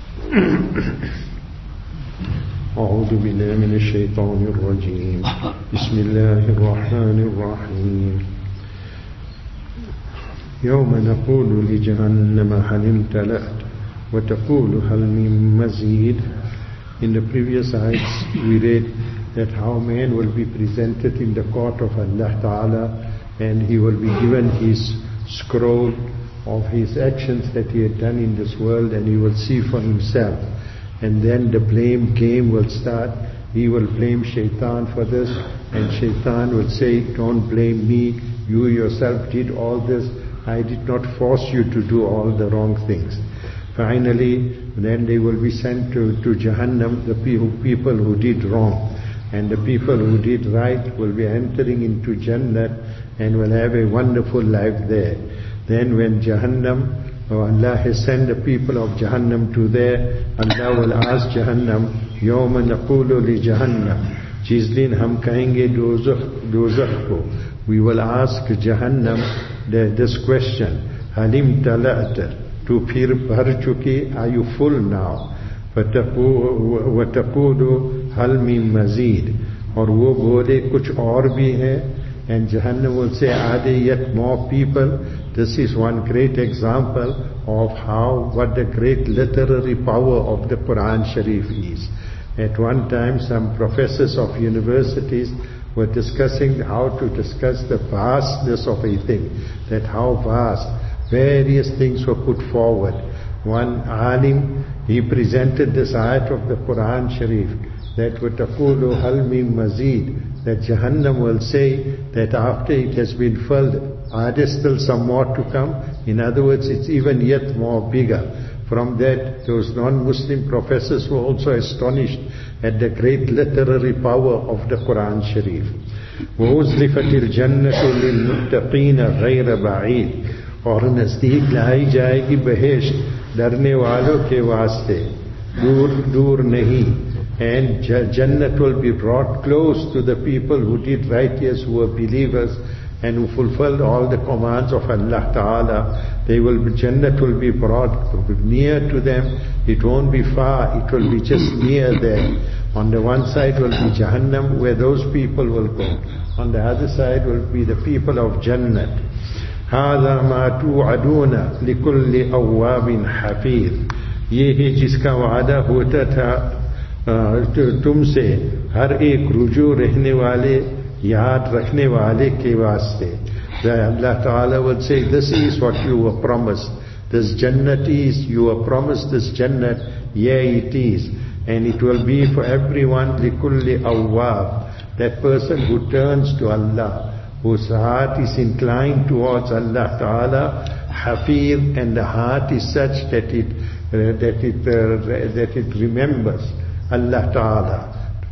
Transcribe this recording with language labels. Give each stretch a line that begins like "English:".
Arabic: أعوذ بالله من الشيطان الرجيم. بسم الله الرحمن الرحيم. يوم نقول لجهنم هل امتلأت وتقول هل من مزيد.
English: In the previous ayats we read that how man will be presented in the court of Allah Ta'ala, and he will be given his scroll of his actions that he had done in this world, and he will see for himself. And then the blame game will start. He will blame Shaitan for this, and Shaitan will say, don't blame me, you yourself did all this, I did not force you to do all the wrong things. Finally, then they will be sent to Jahannam, the people who did wrong. And the people who did right will be entering into Jannah and will have a wonderful life there. Then when Jahannam, oh Allah has sent the people of Jahannam to there, Allah will ask Jahannam,
Arabic: Yawma naqulu li Jahannam,
Urdu: jis din hum kahenge dozakh ko.
English: We will ask Jahannam this question,
Arabic: Halim tala'ta,
Urdu: tu phir bhar chuki,
English: are you full now?
Arabic: وَتَقُولُ هَلْ مِن مَزِيد,
Urdu: اور وہ بولے کچھ اور بھی ہے.
English: And Jahannam will say, are there yet more people? This is one great example of how, what the great literary power of the Quran Sharif is. At one time some professors of universities were discussing how to discuss the vastness of a thing, that how vast, various things were put forward. One alim, he presented this ayat of the Quran Sharif, that
Arabic: وَتَقُولُ هَلْ مِن مَزِيد,
English: that Jahannam will say that after it has been filled, are there still some more to come? In other words, it's even yet more bigger. From that, those non-Muslim professors were also astonished at the great literary power of the Quran Sharif.
Arabic: وَوُزْلِفَتِ الْجَنَّةُ لِلْمُتَّقِينَ غَيْرَ بَعِيد,
Urdu: اور نزدیک لائی جائے گی بہشت ڈرنے والوں کے واسطے, دور دور نہیں.
English: And Jannat will be brought close to the people who did righteous, who were believers and who fulfilled all the commands of Allah Ta'ala. Jannat will be brought near to them. It won't be far, it will be just near there. On the one side will be Jahannam, where those people will go. On the other side will be the people of Jannat.
Arabic: هَذَا مَا تُوْعَدُونَ لِكُلِّ أَوَّابٍ حَفِيظٍ,
Urdu: یہ ہے جس کا وعدہ ہوتا تھا تم سے ہر ایک رجوع رہنے والے, یاد رکھنے والے کے واسطے.
English: اللہ تعالیٰ would say, this is what you were promised. This Jannat is, you were promised this Jannat. Yeah, it is. And it will be for everyone,
Arabic: لِكُلِّ أَوَّابٍ,
English: that person who turns to Allah, whose heart is inclined towards Allah Ta'ala, hafir, and the heart is such that it remembers Allah Ta'ala.